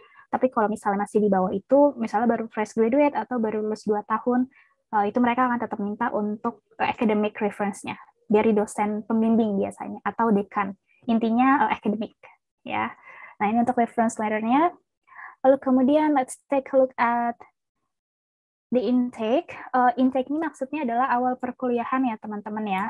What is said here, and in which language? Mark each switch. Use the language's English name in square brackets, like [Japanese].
[Indonesian] Tapi kalau misalnya masih di bawah itu, misalnya baru fresh graduate atau baru lulus 2 tahun, itu mereka akan tetap minta untuk academic reference-nya dari dosen pembimbing biasanya atau dekan. Intinya academic, ya. Nah, ini untuk reference letter-nya. Lalu kemudian [English] let's take a look at the intake. [Indonesian] Intake ini maksudnya adalah awal perkuliahan ya, teman-teman ya.